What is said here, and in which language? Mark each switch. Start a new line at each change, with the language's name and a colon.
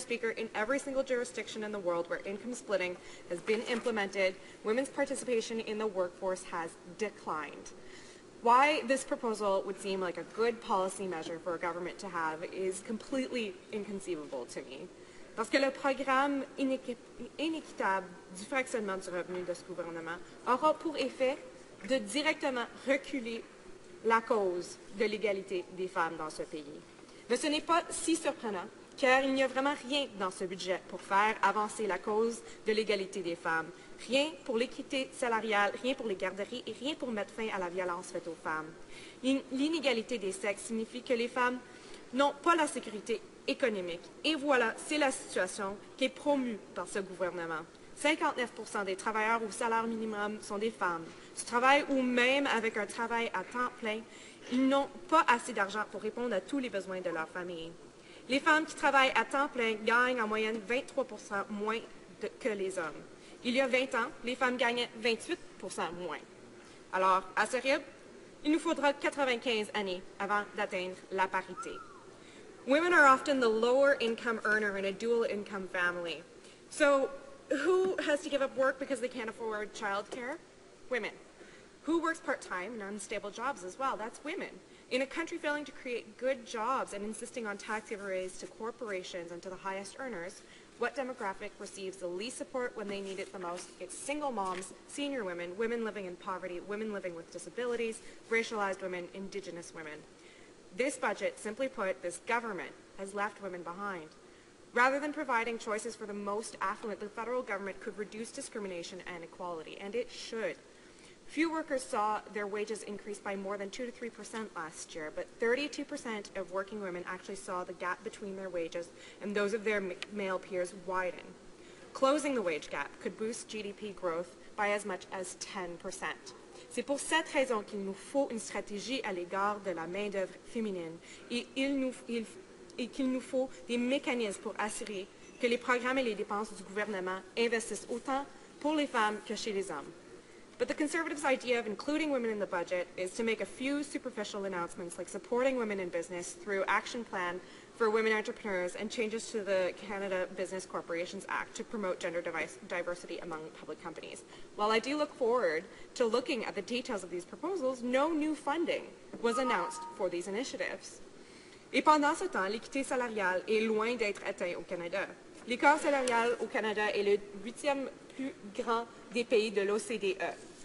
English: Speaker, in every single jurisdiction in the world where income splitting has been implemented, women's participation in the workforce has declined. Why this proposal would seem like a good policy measure for a government to have is completely inconceivable to me.
French: Parce que le programme inéquitable du fractionnement du revenu de ce gouvernement aura pour effet de directement reculer la cause de l'égalité des femmes dans ce pays. Mais ce n'est pas si surprenant, car il n'y a vraiment rien dans ce budget pour faire avancer la cause de l'égalité des femmes, rien pour l'équité salariale, rien pour les garderies et rien pour mettre fin à la violence faite aux femmes. L'inégalité des sexes signifie que les femmes n'ont pas la sécurité économique. Et voilà, c'est la situation qui est promue par ce gouvernement. 59 % des travailleurs au salaire minimum sont des femmes. Du travail ou même avec un travail à temps plein, ils n'ont pas assez d'argent pour répondre à tous les besoins de leur famille. Les femmes qui travaillent à temps plein gagnent en moyenne 23 % moins que les hommes. Il y a 20 ans, les femmes gagnaient 28 % moins. Alors, à ce rythme, il nous faudra 95 années avant d'atteindre la parité.
English: Women are often the lower income earner in a dual income family. So, who has to give up work because they can't afford childcare? Women. Who works part-time in unstable jobs as well? That's women. In a country failing to create good jobs and insisting on tax giveaways to corporations and to the highest earners, what demographic receives the least support when they need it the most? It's single moms, senior women, women living in poverty, women living with disabilities, racialized women, indigenous women. This budget, simply put, this government, has left women behind. Rather than providing choices for the most affluent, the federal government could reduce discrimination and inequality, and it should. Few workers saw their wages increase by more than 2 to 3% last year, but 32% of working women actually saw the gap between their wages and those of their male peers widen. Closing the wage gap could boost GDP growth by as much as 10%.
French: C'est pour cette raison qu'il nous faut une stratégie à l'égard de la main-d'œuvre féminine et qu'il nous faut des mécanismes pour assurer que les programmes et les dépenses du gouvernement investissent autant pour les femmes que chez les hommes.
English: But the Conservatives' idea of including women in the budget is to make a few superficial announcements like supporting women in business through action plan for women entrepreneurs and changes to the Canada Business Corporations Act to promote gender diversity among public companies. While I do look forward to looking at the details of these proposals, no new funding was announced for these initiatives.
French: Et pendant ce temps, l'équité salariale est loin d'être atteinte au Canada. L'écart salarial au Canada est le 8e plus grand des pays de l'OCDE.